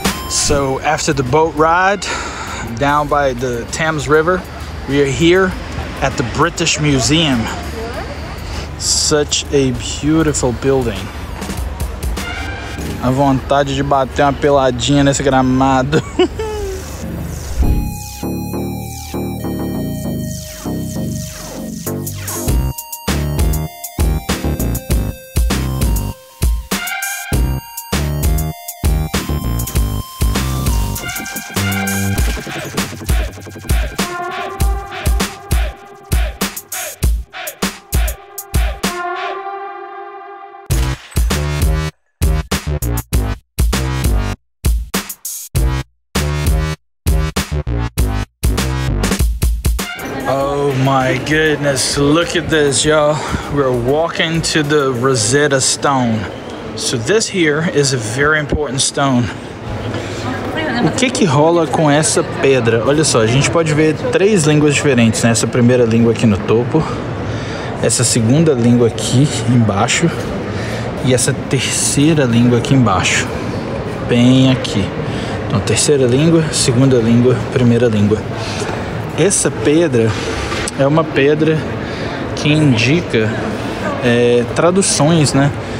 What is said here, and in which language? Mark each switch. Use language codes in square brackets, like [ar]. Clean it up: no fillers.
[en] So after the boat ride down by the Thames River, we are here at the British Museum. Such a beautiful building. [pt] A vontade de bater uma peladinha nesse gramado. [en] My goodness, look at this, y'all. We're walking to the Rosetta Stone. So this here is a very important stone. [pt] O que que rola com essa pedra? Olha só, a gente pode ver três línguas diferentes, né? Essa primeira língua aqui no topo, essa segunda língua aqui embaixo e essa terceira língua aqui embaixo, bem aqui. Então, terceira língua, segunda língua, primeira língua. Essa pedra é uma pedra que indica traduções, né?